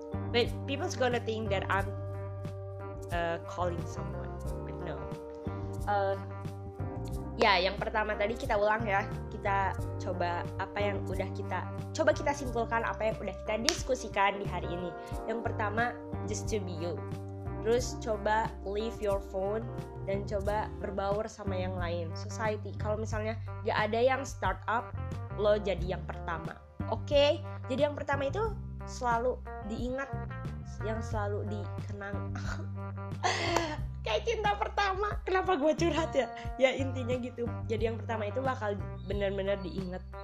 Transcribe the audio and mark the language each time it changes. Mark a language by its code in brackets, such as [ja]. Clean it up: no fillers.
[en] But people's gonna think that I'm calling someone. But no. [id] Ya, yang pertama tadi kita ulang ya. Kita coba apa yang udah kita coba kita simpulkan apa yang udah kita diskusikan di hari ini. Yang pertama, [en] just to be you. [id] Terus coba [en] leave your phone [id] dan coba berbaur sama yang lain. Society, kalau misalnya gak ada yang startup, lo jadi yang pertama. Oke, jadi yang pertama itu selalu diingat, yang selalu dikenang. Kayak cinta pertama, kenapa gue curhat ya? Ya intinya gitu, jadi yang pertama itu bakal benar-benar diingat.